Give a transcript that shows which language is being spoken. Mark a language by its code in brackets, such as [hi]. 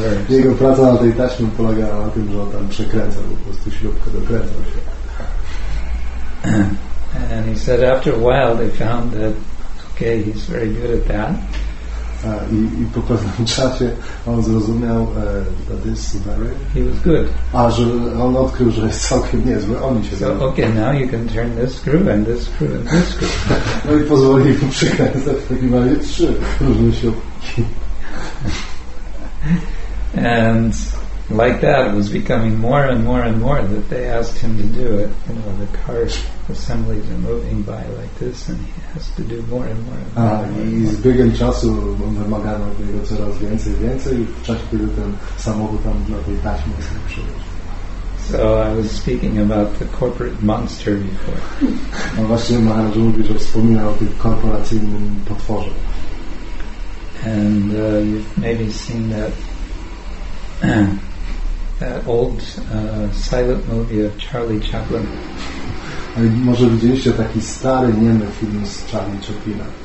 [pl] jego praca na tej taśmie polegała na tym, że on tam przekręcał, po prostu śrubkę dokręcał się. [en] And he said after a while they found that okay, he's very good at that. [pl] I po pewnym czasie on zrozumiał [en] that this is very, he was good. [pl] A że on odkrył, że jest całkiem niezły, oni się [en] so, okay, now you can turn this screw and this screw and this screw. [pl] No i pozwolili mu przekręcać w takim razie trzy różne śrubki. [en] And like that was becoming more and more and more that they asked him to do it. You know, the car assemblies are moving by like this and he has to do more and more and more. [pl] I z biegiem czasu on wymagano od niego coraz więcej i więcej i w czasie, kiedy ten samochód tam na tej taśmie się przyjeżdża. [en] So I was speaking about the corporate monster before. [pl] No właśnie Maharaj mówi, że wspominał o tym korporacyjnym potworze. [en] And you've maybe seen that that old silent movie of Charlie Chaplin. [pl] Może widzieliście taki stary niemy film z Charlie Chaplina.